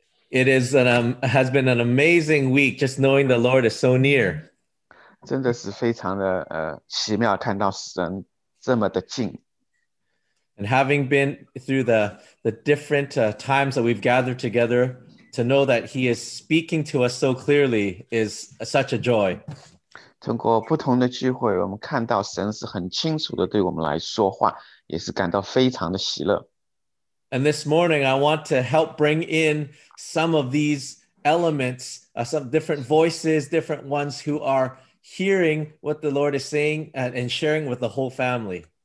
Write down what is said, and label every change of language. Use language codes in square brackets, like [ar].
[en] It is has been an amazing week just knowing the Lord is so near. [zh] 真的是非常的奇妙看到神这么的近. [en] And having been through the different times that we've gathered together, to know that he is speaking to us so clearly is such a joy. [zh] 通过不同的聚会，我们看到神是很清楚的对我们来说话，也是感到非常的喜乐。 [en] And this morning, I want to help bring in some of these elements, some different voices, different ones who are hearing what the Lord is saying and sharing with the whole family.